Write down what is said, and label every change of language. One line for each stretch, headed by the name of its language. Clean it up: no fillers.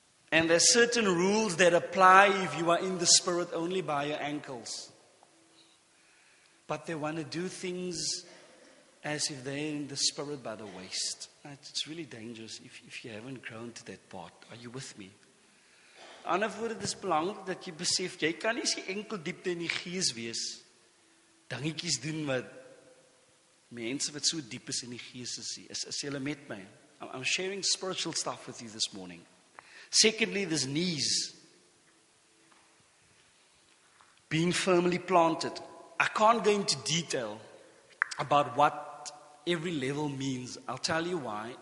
English: And there's certain rules that apply if you are in the Spirit only by your ankles. But they want to do things as if they're in the Spirit by the waist. It's really dangerous if you haven't grown to that part. Are you with me?
Afrikaans: Ander woorde, dis belangrik dat jy besef, jy kan nie sy enkel diepte in die gees wees, dingetjies doen wat mense wat so diep is in die gees is. Is jylle met my?
English: I'm sharing spiritual stuff with you this morning. Secondly, there's knees. Being firmly planted. I can't go into detail about what every level means. I'll tell you why.